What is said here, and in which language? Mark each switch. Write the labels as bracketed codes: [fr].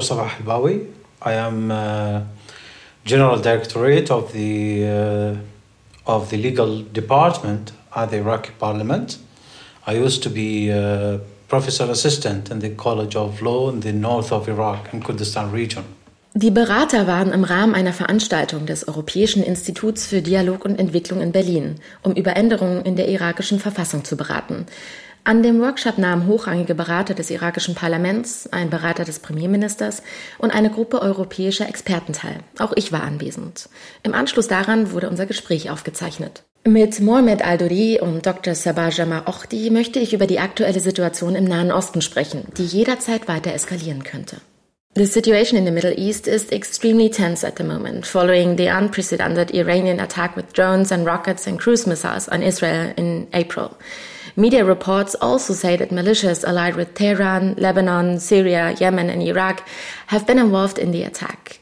[en] Sabah Al-Bawi, I am General Directorate of the legal department at the Iraqi parliament. I used to be a professor assistant in the College of Law in the north of Iraq and Kurdistan region. [de] Die Berater waren im Rahmen einer Veranstaltung des Europäischen Instituts für Dialog und Entwicklung in Berlin, um über Änderungen in der irakischen Verfassung zu beraten. An dem Workshop nahmen hochrangige Berater des irakischen Parlaments, ein Berater des Premierministers und eine Gruppe europäischer Experten teil. Auch ich war anwesend. Im Anschluss daran wurde unser Gespräch aufgezeichnet. Mit Mohamed Al-Duri und Dr. Sabah Juma Ohdi möchte ich über die aktuelle Situation im Nahen Osten sprechen, die jederzeit weiter eskalieren könnte. [en] The situation in the Middle East is extremely tense at the moment, following the unprecedented Iranian attack with drones and rockets and cruise missiles on Israel in April. Media reports also say that militias allied with Tehran, Lebanon, Syria, Yemen and Iraq have been involved in the attack.